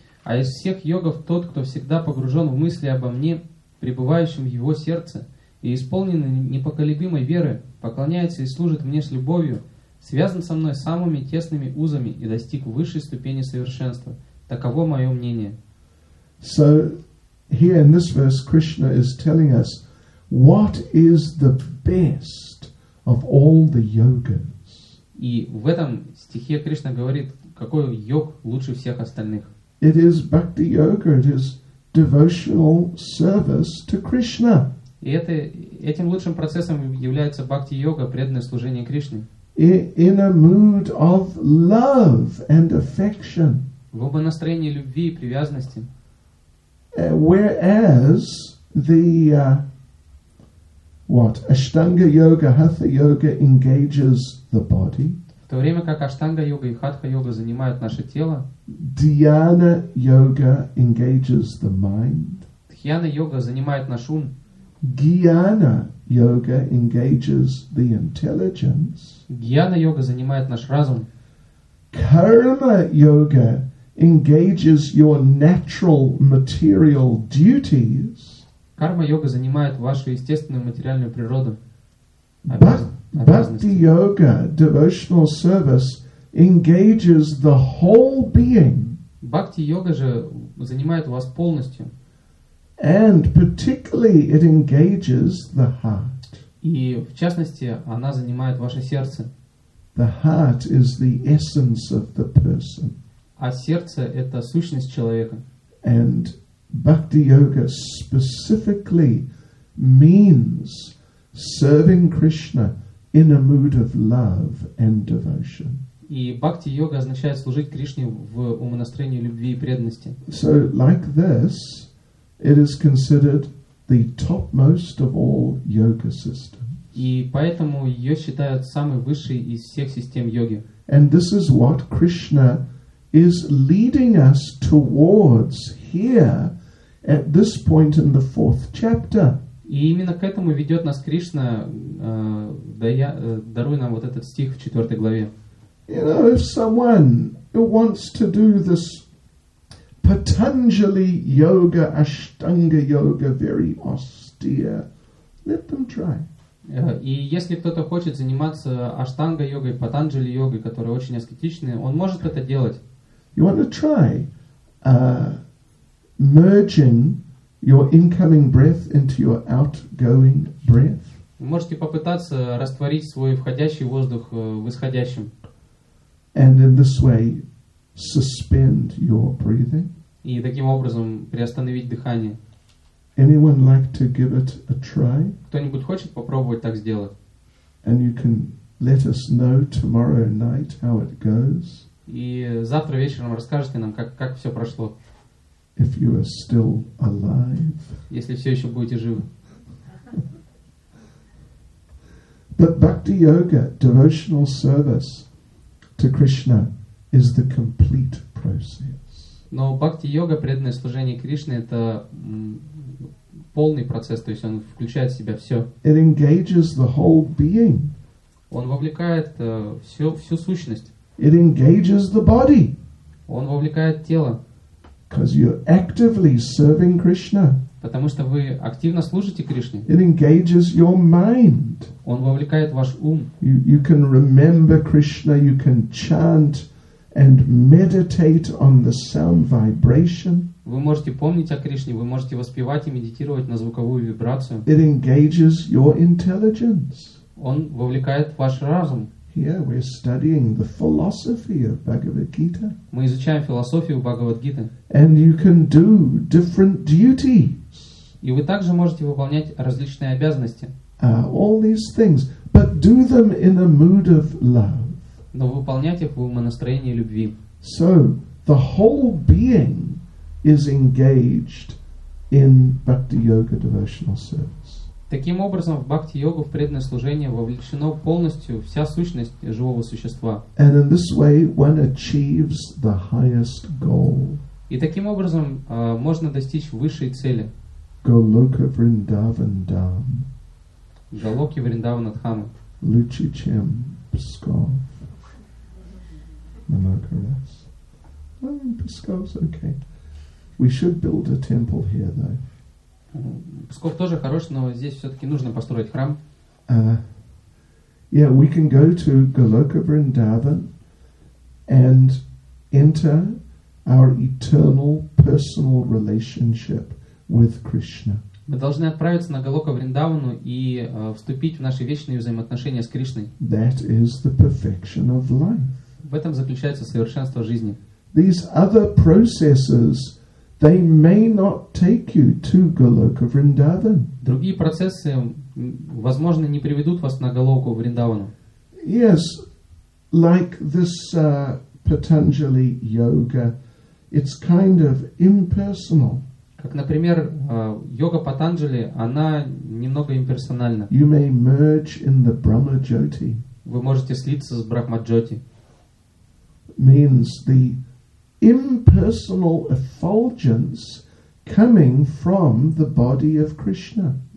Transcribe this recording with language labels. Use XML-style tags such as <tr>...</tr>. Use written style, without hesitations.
<ru>А из всех йогов тот, кто всегда погружен в мысли обо мне, пребывающем в его сердце, и исполнен непоколебимой веры, поклоняется и служит мне с любовью, связан со мной самыми тесными узами и достиг высшей ступени совершенства. Таково мое мнение.</ru> <en>So, here in this verse, Krishna is telling us, what is the best of all the yogas?</en> <ru>И в этом стихе Кришна говорит, какой йог лучше всех остальных.</ru> <en>It is bhakti yoga, it is devotional service to Krishna.</en> <ru>И это, этим лучшим процессом является бхакти йога, преданное служение Кришне.</ru> <en>In a mood of love and affection.</en> <ru>В оба настроении любви и привязанности.</ru> <en>Whereas the Ashtanga yoga, hatha yoga engages the body.</en> <ru>то время как аштанга-йога и хатха-йога занимают наше тело,</ru> <en>дьяна-йога engages the mind,</en> <ru>дхьяна-йога занимает наш ум,</ru> <en>гьяна-йога engages the intelligence,</en> <ru>гьяна-йога занимает наш разум,</ru> <en>карма-йога engages your natural material duties,</en> <ru>карма-йога занимает вашу естественную материальную природу.</ru> <en>Bhakti-yoga, devotional service, engages the whole being.</en> <ru>Бхакти-йога же занимает вас полностью.</ru> <en>And particularly it engages the heart.</en> <ru>И в частности, она занимает ваше сердце.</ru> <en>The heart is the essence of the person.</en> <ru>А сердце – это сущность человека.</ru> <en>And Bhakti-yoga specifically means serving Krishna in a mood of love and devotion.</en> <ru>И бхакти-йога означает служить Кришне в умонастроении любви и преданности.</ru> <en>So, like this, it is considered the topmost of all yoga systems.</en> <ru>И поэтому ее считают самой высшей из всех систем йоги.</ru> <en>And this is what Krishna is leading us towards here at this point in the fourth chapter.</en> <ru>И именно к этому ведет нас Кришна, даруя нам вот этот стих в 4 главе.</ru> <en>You know, if someone wants to do this Patanjali yoga, Ashtanga yoga, very austere, let them try.</en> <ru>И если кто-то хочет заниматься Ashtanga йогой, Patanjali йогой, которая очень аскетичная, он может это делать.</ru> <en>You want to try merging your incoming breath into your outgoing breath.</en> <ru>Вы можете попытаться растворить свой входящий воздух в исходящем.</ru> <en>And in this way suspend your breathing.</en> <ru>И таким образом приостановить дыхание.</ru> <en>Anyone like to give it a try?</en> <ru>Кто-нибудь хочет попробовать так сделать?</ru> <en>And you can let us know tomorrow night how it goes.</en> <ru>И завтра вечером расскажете нам, как все прошло.</ru> <en>If you are still alive.</en> <ru>Если все еще будете живы.</ru> <en>But Bhakti Yoga, devotional service to Krishna, is the complete process.</en> <ru>Но Bhakti Yoga, преданное служение Кришне, это полный процесс, то есть он включает в себя все.</ru> <en>It engages the whole being.</en> <ru>Он вовлекает всю сущность.</ru> <en>It engages the body.</en> <ru>Он вовлекает тело.</ru> <en>Because you're actively serving Krishna.</en> <ru>Потому что вы активно служите Кришне.</ru> <en>It engages your mind.</en> <ru>Он вовлекает ваш ум.</ru> <en>You can remember Krishna, you can chant and meditate on the sound vibration.</en> <ru>Вы можете помнить о Кришне, вы можете воспевать и медитировать на звуковую вибрацию.</ru> <en>It engages your intelligence.</en> <ru>Он вовлекает ваш разум.</ru> <en>Here we're studying the philosophy of Bhagavad Gita.</en> <ru>Мы изучаем философию Бхагавад Гиты.</ru> <en>And you can do different duties.</en> <ru>И вы также можете выполнять различные обязанности.</ru> <en>All these things, but do them in a mood of love.</en> <ru>Но выполнять их в умонастроении любви.</ru> <en>So the whole being is engaged in Bhakti Yoga devotional service.</en> <ru>Таким образом, в бхакти-йогу, в преданное служение, вовлечено полностью вся сущность живого существа.</ru> <en>And in this way one achieves the highest goal.</en> <ru>И таким образом можно достичь высшей цели. Голока Вриндаван Дам. Голоки Вриндавана Дхамы. Лучи чем Псков. Монако Рас.</ru> <en>Псков's okay. We should build a temple here though.</en> <ru>Псков тоже хорош, но здесь все-таки нужно построить храм.</ru> <en>Yeah, we can go to Goloka Vrindavan and enter our eternal personal relationship with Krishna.</en> <ru>Мы должны отправиться на Голока Вриндавану и вступить в наши вечные взаимоотношения с Кришной.</ru> <en>That is the perfection of life.</en> <ru>В этом заключается совершенство жизни.</ru> <en>These other processes, they may not take you to Goloka Vrindavan.</en> <ru>Другие процессы, возможно, не приведут вас на Голоку Вриндавану.</ru> <en>Yes, like this Patanjali yoga, it's kind of impersonal.</en> <ru>Как, например, йога Патанджали, она немного имперсональна.</ru> <en>You may merge in the Brahma Jyoti.</en> <ru>Вы можете слиться с Брахмаджоти.</ru> <en>Means the impersonal effulgence coming from the body of Krishna.</en>